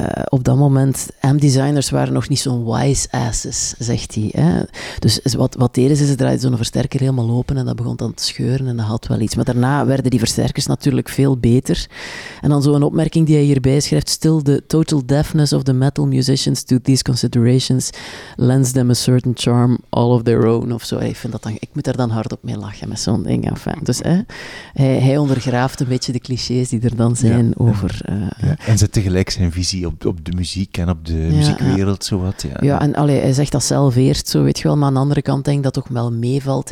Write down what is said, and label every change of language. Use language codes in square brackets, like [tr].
[nl] op dat moment, amp-designers waren nog niet zo'n wise asses, zegt hij. Hè? Dus wat deden ze? Ze draaiden zo'n versterker helemaal open en dat begon dan te scheuren en dat had wel iets. Maar daarna werden die versterkers natuurlijk veel beter. En dan zo'n opmerking die hij hierbij schrijft. [en] Still, the total deafness of the metal musicians to these considerations lends them a certain charm all of their own. [nl] Of zo. Ik vind dat dan, ik moet daar dan hard op mee lachen met zo'n ding. Enfin, dus hè? Hij ondergraaft een beetje de clichés die er dan zijn over... En ze tegelijk zijn en visie op de muziek en op de muziekwereld, zowat. Ja. Ja, en allee, hij zegt dat zelf eerst, zo weet je wel. Maar aan de andere kant denk ik dat toch wel meevalt.